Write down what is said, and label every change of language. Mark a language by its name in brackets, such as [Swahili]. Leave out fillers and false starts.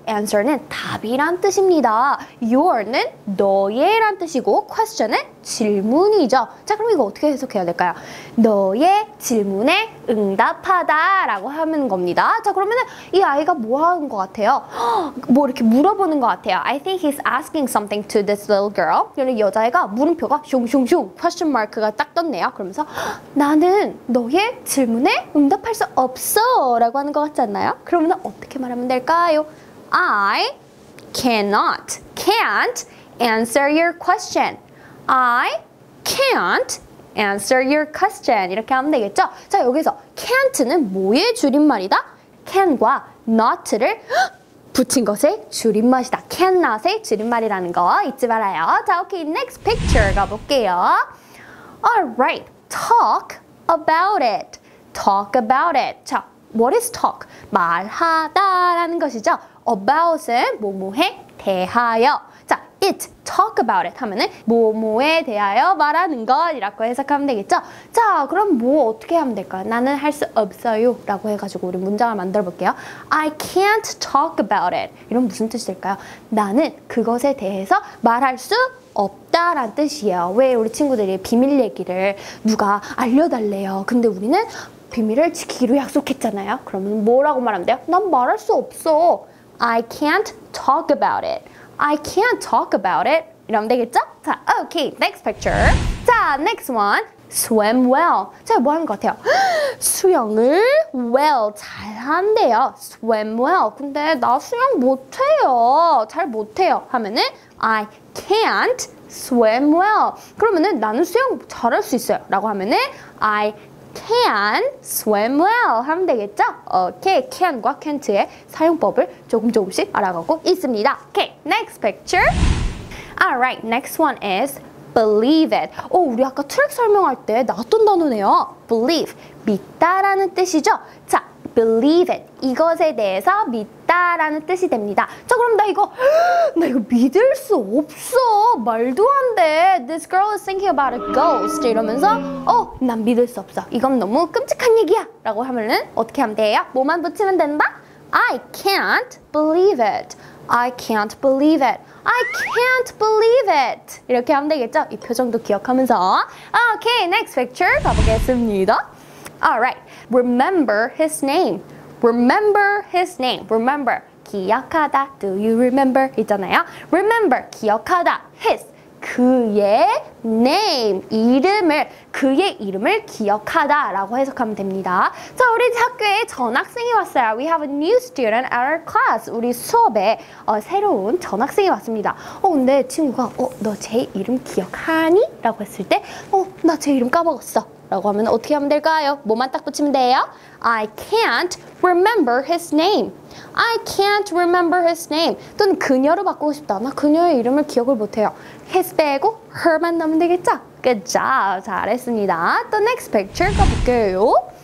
[Korean] Answer는 답이란 뜻입니다. Your는 너의란 뜻이고, question은 질문이죠. 자, 그럼 이거 어떻게 해석해야 될까요? 너의 질문에 응답하다 라고 하는 겁니다. 자, 그러면은 이 아이가 뭐 하는 것 같아요? 뭐 이렇게 물어보는 것 같아요. [English] I think he's asking something to this little girl. [Korean] 여자애가 물음표가 슝슝슝 question mark가 딱 떴네요. 그러면서 나는 너의 질문에 응답할 수 없어 라고 하는 것 같지 않나요? 그러면은 어떻게 말하면 될까요? [English] I cannot, can't answer your question. I can't answer your question. [Korean] 이렇게 하면 되겠죠? 자, 여기서 can't는 뭐의 줄임말이다? can과 not를 붙인 것의 줄임말이다. cannot의 줄임말이라는 거 잊지 말아요. 자, 오케이. [English] Next picture [Korean] 가볼게요. [English] Alright. Talk about it. Talk about it. [Korean] 자, [English] what is talk? [Korean] 말하다 라는 것이죠. about은 뭐뭐에 대하여. 자, it, talk about it 하면은 뭐뭐에 대하여 말하는 것이라고 해석하면 되겠죠? 자, 그럼 뭐 어떻게 하면 될까요? 나는 할 수 없어요 라고 해가지고 우리 문장을 만들어 볼게요. [English] I can't talk about it. [Korean] 이런 무슨 뜻이 될까요? 나는 그것에 대해서 말할 수 없다라는 뜻이에요. 왜 우리 친구들이 비밀 얘기를 누가 알려달래요? 근데 우리는 비밀을 지키기로 약속했잖아요. 그러면 뭐라고 말하면 돼요? 난 말할 수 없어. [English] I can't talk about it. I can't talk about it. [Korean] 이러면 되겠죠? [English] 자, okay, next picture. 자, next one. Swim well. 자, [Korean] 뭐 하는 것 같아요? 수영을 well 잘한대요. Swim well. 근데 나 수영 못해요. 잘 못해요. [English] 하면은 I can't swim well. [Korean] 그러면은 나는 수영 잘할 수 있어요. 라고 하면은 [English] I can swim well [Korean] 하면 되겠죠? 오케이, okay. can과 can't의 사용법을 조금 조금씩 알아가고 있습니다. [English] 오케이, okay. next picture. Alright, next one is believe it. [Korean] 오, 우리 아까 트랙 설명할 때 나왔던 단어네요. believe, 믿다라는 뜻이죠? 자, believe it, 이것에 대해서 믿다라는 뜻이 됩니다. 자, 그럼 나 이거 믿을 수 없어. 말도 안 돼. [English] This girl is thinking about a ghost. [Korean] 이러면서 난 믿을 수 없어. 이건 너무 끔찍한 얘기야. 라고 하면은 어떻게 하면 돼요? 뭐만 붙이면 된다? [English] I can't believe it. I can't believe it. I can't believe it. [Korean] 이렇게 하면 되겠죠? 이 표정도 기억하면서. [English] Okay, next picture [Korean] 가보겠습니다. [English] Alright, remember his name. Remember his name. Remember, 기억하다. Do you remember? [Korean] 있잖아요. [English] Remember, 기억하다. His, [Korean] 그의 name, 이름을, 그의 이름을 기억하다 라고 해석하면 됩니다. 자, 우리 학교에 전학생이 왔어요. [English] We have a new student at our class. [Korean] 우리 수업에 새로운 전학생이 왔습니다. 근데 친구가 너 제 이름 기억하니? 라고 했을 때 나 제 이름 까먹었어 라고 하면 어떻게 하면 될까요? 뭐만 딱 붙이면 돼요? [English] I can't remember his name. I can't remember his name. [Korean] 또는 그녀를 바꾸고 싶다. 나 그녀의 이름을 기억을 못해요. His 빼고 her만 넣으면 되겠죠? [English] Good job. [Korean] 잘했습니다. 또 next picture 가볼게요.